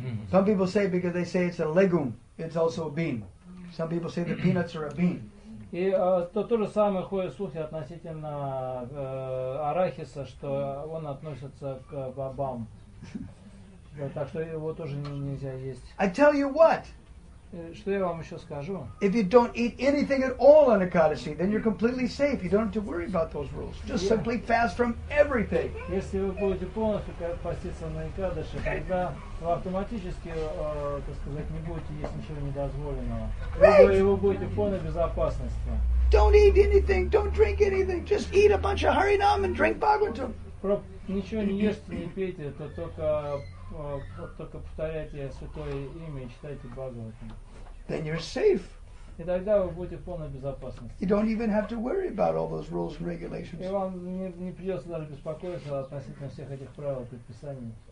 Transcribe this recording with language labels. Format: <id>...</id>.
<en>Some people say, because they say it's a legume, it's also a bean. Some people say the peanuts are a bean.</en> <ru>И то же самое ходят слухи относительно арахиса, что он относится к бобам. Так что его тоже нельзя есть.</ru> <en>I tell you what.</en> <ru>Что я вам еще скажу?</ru> <en>If you don't eat anything at all on Ekadasi, then you're completely safe. You don't have to worry about those rules. Just simply fast from everything.</en> <ru>Если вы будете полностью поститься на Экадаши, тогда вы автоматически, так сказать, не будете есть ничего недозволенного.</ru> <en>Right.</en> <ru>Вы будете в полной безопасности.</ru> <en>Don't eat anything. Don't drink anything. Just eat a bunch of Harinam and drink Bhagavatam.</en> <ru>Ничего не ешьте, не пейте. Это только... Только повторяйте святое имя и читайте Бхагаватам.</ru> <en>Then you're safe.</en> <ru>И тогда вы будете в полной безопасности.</ru> <en>You don't even have to worry about all those rules and regulations.</en> <ru>И вам не придется даже беспокоиться относительно всех этих правил и предписаний.</ru>